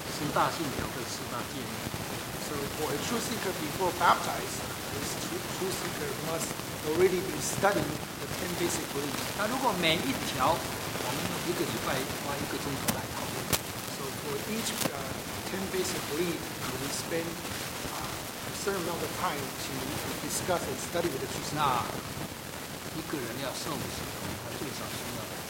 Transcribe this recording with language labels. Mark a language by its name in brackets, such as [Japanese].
[Chinese] 在洗礼之前呢，我们最少要查考过十大信条跟十大诫命。 [English] So for a true seeker before baptized, this true seeker must already be studying the 10 basic beliefs. [Chinese] 那如果每一条，我们一个礼拜花1个钟头来讨论。 [English] So for each 10 basic beliefs, we spend a certain amount of time to discuss and study with the true seeker. [Chinese] 那一个人要受洗，他最少需要。